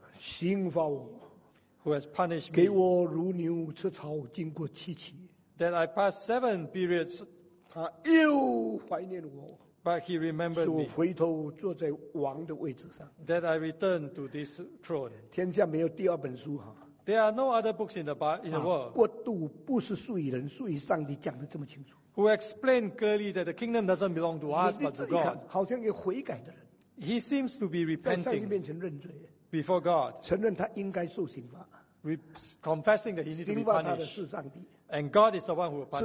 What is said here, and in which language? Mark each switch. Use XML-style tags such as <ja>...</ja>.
<zh>刑罚我。</zh> <en>Who has punished me?</en> <zh>给我如牛吃草，经过七期。</zh> <en>That I passed seven periods,</en> <zh>他又怀念我</zh> <en>，but he remembered me.</en> <zh>是我回头坐在王的位置上</zh> <en>，that I returned to this throne.</en> <zh>天下没有第二本书哈</zh> <en>，there are no other books in the world.</en> <zh>国度不是属于人，属于上帝，讲得这么清楚。</zh> <en>Who explained clearly that the kingdom doesn't belong to us but to God?</en> <zh>好像一个悔改的人</zh> <en>，he seems to be repenting.</en> <zh>在上帝面前认罪</zh> <en>，before God.</en> <zh>承认他应该受刑罚</zh> <en>，confessing that he needs to be punished.</en> <zh>刑罚他的是上帝。</zh> <en>And God is the one who will punish him.</en>